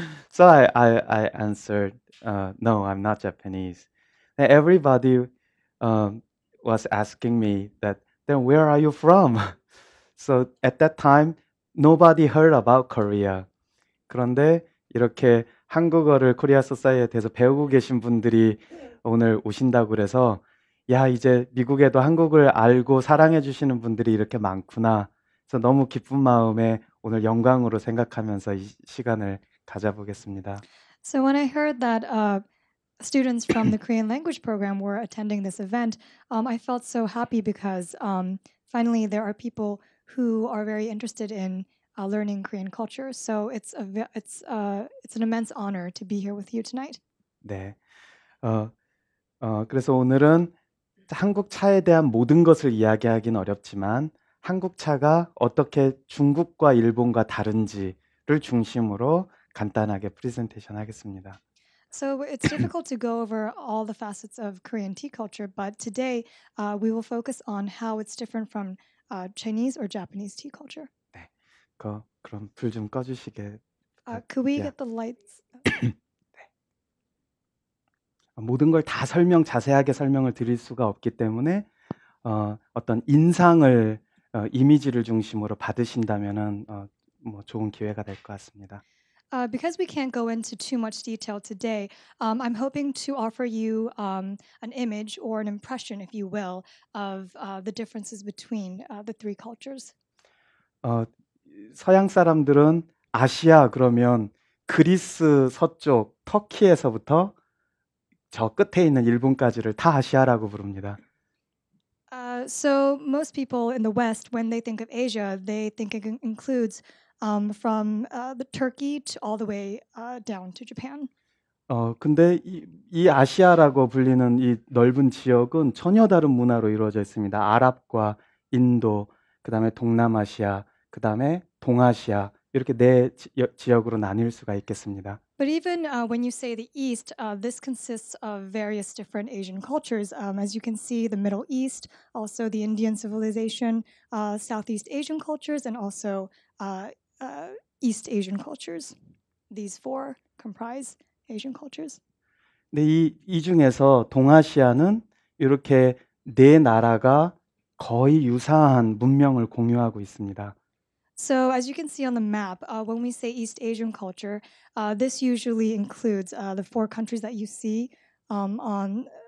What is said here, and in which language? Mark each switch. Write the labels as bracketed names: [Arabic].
[English] So I answered, no, I'm not Japanese. And everybody was asking me that, then where are you from? So at that time, nobody heard about Korea. [Korean] 그런데 이렇게 한국어를 코리아 소사이어티에서 배우고 계신 분들이 오늘 오신다고 그래서 야 이제 미국에도 한국을 알고 사랑해 주시는 분들이 이렇게 많구나. 그래서 너무 기쁜 마음에 오늘 영광으로 생각하면서 이 시간을 가져보겠습니다. [English] So when I heard that students from the Korean language program were attending this event, I felt so happy because finally there are people who are very interested in learning Korean culture. So it's an immense honor to be here with you tonight. [Korean] 네. 그래서 오늘은 한국 차에 대한 모든 것을 이야기하긴 어렵지만 한국 차가 어떻게 중국과 일본과 다른지를 중심으로 간단하게 프레젠테이션 하겠습니다. [English] So it's difficult to go over all the facets of Korean tea culture, but today we will focus on how it's different from Chinese or Japanese tea culture. [Korean] 그럼 불 좀 꺼주시게. [English] Could we get the lights? 네. [Korean] 모든 걸 다 설명 자세하게 설명을 드릴 수가 없기 때문에 어떤 인상을 이미지를 중심으로 받으신다면은 뭐 좋은 기회가 될 것 같습니다. [English] Because we can't go into too much detail today, I'm hoping to offer you an image or an impression, if you will, of the differences between the three cultures. [Korean] 서양 사람들은 아시아 그러면 그리스 서쪽 터키에서부터 저 끝에 있는 일본까지를 다 아시아라고 부릅니다. [English] So most people in the West, when they think of Asia, they think it includes from the Turkey to all the way down to Japan. [Korean] 근데 이 아시아라고 불리는 이 넓은 지역은 전혀 다른 문화로 이루어져 있습니다. 아랍과 인도, 그 다음에 동남아시아, 그 다음에 동아시아 이렇게 네 지역으로 나뉠 수가 있겠습니다. [English] But even when you say the East, this consists of various different Asian cultures. As you can see, the Middle East, also the Indian civilization, Southeast Asian cultures, and also East Asian cultures. These four comprise Asian cultures. [Korean] 네, 이 중에서 동아시아는 이렇게 네 나라가 거의 유사한 문명을 공유하고 있습니다. [English] So as you can see on the map, when we say East Asian culture, this usually includes the four countries that you see on